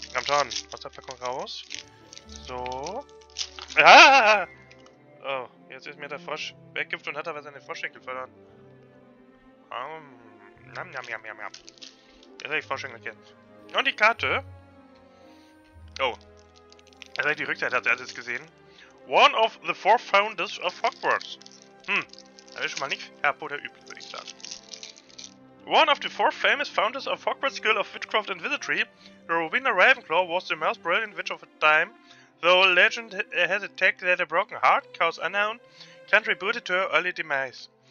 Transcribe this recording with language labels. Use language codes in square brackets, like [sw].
[de] Komm schon. Aus der Packung raus. So. Ah! Oh, jetzt ist mir der Frosch weggekippt und hat aber seine Froschenkel verloren. Nam, nam, nam, nam, nam. Jetzt habe ich Froschenkel hier. Und die Karte? Oh. Jetzt habe ich die Rückseite, hat er jetzt gesehen. [en] One of the four founders of Hogwarts. [de] Das ist schon mal nicht herb oder übel, würde ich sagen. [en] One of the four famous founders of Hogwarts School of Witchcraft and Wizardry, Rowena Ravenclaw was the most brilliant witch of the time, though legend has attacked that a broken heart, cause unknown, contributed to her early demise.